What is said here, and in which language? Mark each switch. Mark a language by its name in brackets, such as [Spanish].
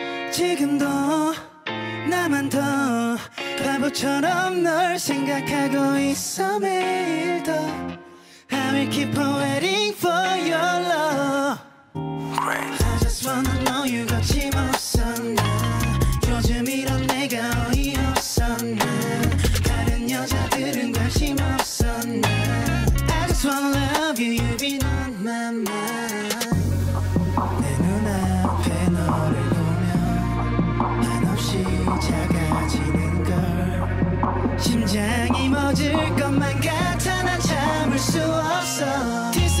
[Korean] 지금도 나만 더 바보처럼 널 생각하고 있어 매일 더. [English] I will keep on waiting for your love. Great. I just wanna know you got him up son. [Korean] 요즘 이런 내가 어이없어. 다른 여자들은 관심 없어. [English] I just wanna love you, you be on my mind. [Korean] 내 눈앞에 너를 보면 한없이 작아지는 걸. 심장이 멎을 것만 같아. 수 없어.